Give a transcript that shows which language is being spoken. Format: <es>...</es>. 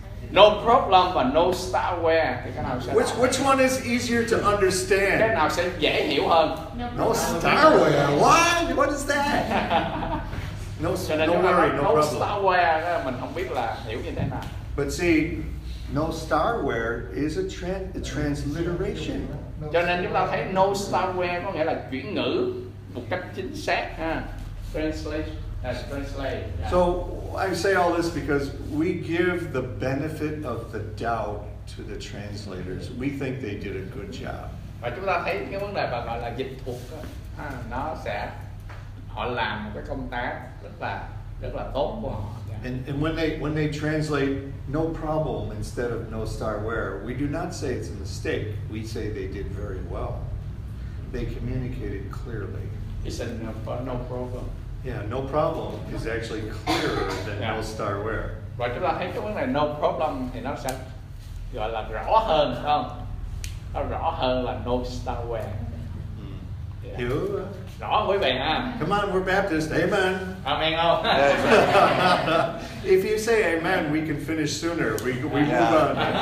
<en>No problem và no star where. Which one is easier to understand?</en> <vi>Cái nào sẽ dễ hiểu hơn?</vi> <en>No star where. What? What is that? No, no worry, no problem.</en> <vi>No star where, mình không biết là hiểu như thế nào.</vi> <en>But see, no star where is a transliteration.</en> <vi>Cho nên chúng ta thấy no star where có nghĩa là chuyển ngữ một cách chính xác.</vi> <en>Translation. Yeah. So I say all this because we give the benefit of the doubt to the translators. We think they did a good job.</en> <vi>Và chúng ta thấy cái vấn đề mà gọi là dịch thuật đó, nó sẽ họ làm một cái công tác rất là tốt của họ.</vi> <en>And when they translate no problem instead of no star where, we do not say it's a mistake. We say they did very well. They communicated clearly. He said no problem. Yeah, no problem is actually clearer than no star where.</en> <vi>Và chúng ta thấy cái vấn đề no problem thì nó sẽ gọi là rõ hơn, không? Nó rõ hơn là no star where. Yeah. Hiểu? Rõ quý vị ha.</vi> <en>Come on, we're Baptist. Amen.</en> <vi>Amen không?</vi> <en>If you say amen, we can finish sooner. We move on.</en>